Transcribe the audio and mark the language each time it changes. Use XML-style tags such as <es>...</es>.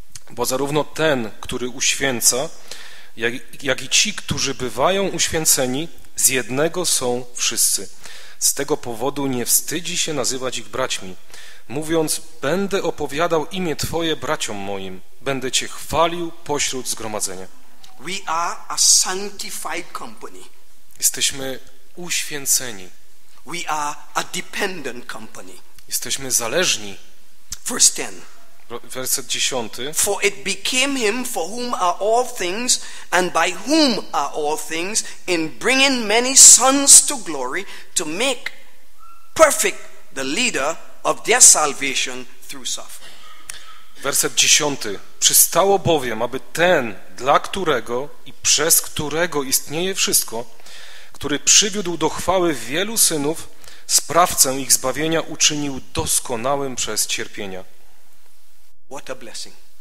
<pl>Bo zarówno ten, który uświęca, jak i ci, którzy bywają uświęceni, z jednego są wszyscy. Z tego powodu nie wstydzi się nazywać ich braćmi, mówiąc: będę opowiadał imię Twoje braciom moim, będę Cię chwalił pośród zgromadzenia.</pl> <en>We are a sanctified company.</en> <pl>Jesteśmy uświęceni.</pl> <en>We are a dependent company.</en> <pl>Jesteśmy zależni.</pl> <en>Verse 10.</en> <pl>Werset 10.</pl> <en>For it became him for whom are all things and by whom are all things in bringing many sons to glory to make perfect the leader of their salvation through suffering.</en> <pl>Werset 10. Przystało bowiem, aby ten, dla którego i przez którego istnieje wszystko, który przywiódł do chwały wielu synów, sprawcę ich zbawienia uczynił doskonałym przez cierpienia.</pl> <en>What a blessing.</en>